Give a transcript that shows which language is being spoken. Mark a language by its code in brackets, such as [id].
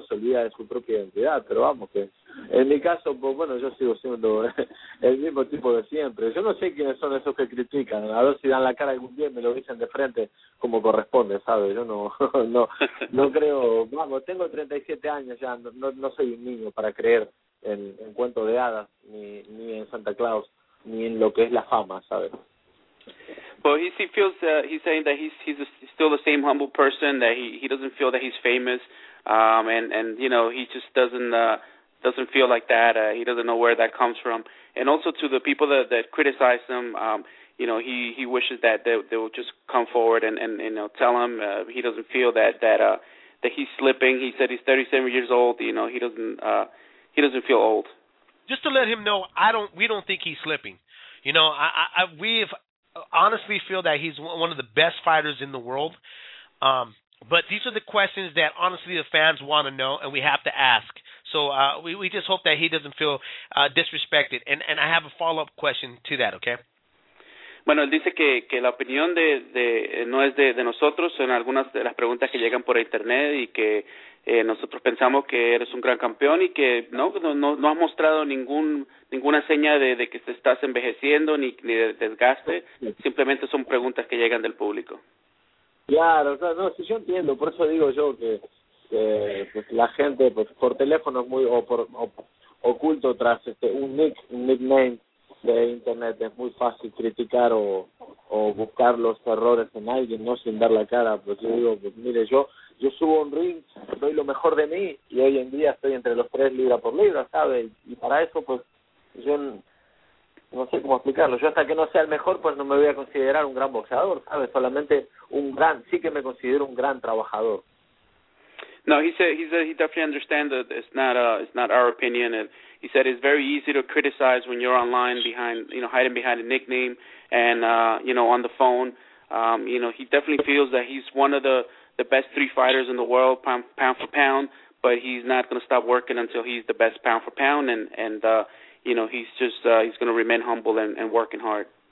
[es] Se olvida de su propia identidad, pero vamos, que en mi caso, pues bueno, yo sigo siendo el mismo tipo de siempre. Yo no sé quiénes son esos que critican, a ver si dan la cara algún día y me lo dicen de frente como corresponde, ¿sabes? Yo no creo, vamos, tengo 37 años ya, no soy un niño para creer en cuentos de hadas ni en Santa Claus. [en] Well, he feels he's saying that he's still the same humble person, that he doesn't feel that he's famous, and you know, he just doesn't feel like that. He doesn't know where that comes from. And also to the people that criticize him, you know, he wishes that they will just come forward and you know, tell him he doesn't feel that he's slipping. He said he's 37 years old. You know, he doesn't feel old. Just to let him know, we don't think he's slipping. You know, we've honestly feel that he's one of the best fighters in the world. But these are the questions that honestly the fans want to know, and we have to ask. So we just hope that he doesn't feel disrespected. And I have a follow-up question to that, okay? [es] Bueno, él dice que la opinión de no es de nosotros, son algunas de las preguntas que llegan por internet y que nosotros pensamos que eres un gran campeón y que no has mostrado ninguna seña de que te estás envejeciendo ni de desgaste, simplemente son preguntas que llegan del público. Claro, no, sí, yo entiendo, por eso digo yo que pues la gente pues por teléfono es muy oculto tras un nickname de internet, es muy fácil criticar o buscar los errores en alguien, ¿no? Sin dar la cara, pues yo digo, pues mire, yo subo un ring, doy lo mejor de mí, y hoy en día estoy entre los tres libra por libra, ¿sabes? Y para eso, pues, yo no sé cómo explicarlo. Yo hasta que no sea el mejor, pues no me voy a considerar un gran boxeador, ¿sabes? Solamente un gran, sí que me considero un gran trabajador. [en] No, he said he definitely understands that it's not our opinion, and he said it's very easy to criticize when you're online behind, you know, hiding behind a nickname and, you know, on the phone. You know, he definitely feels that he's one of the best three fighters in the world, pound for pound, but he's not going to stop working until he's the best pound for pound, and you know, he's just he's going to remain humble and working hard.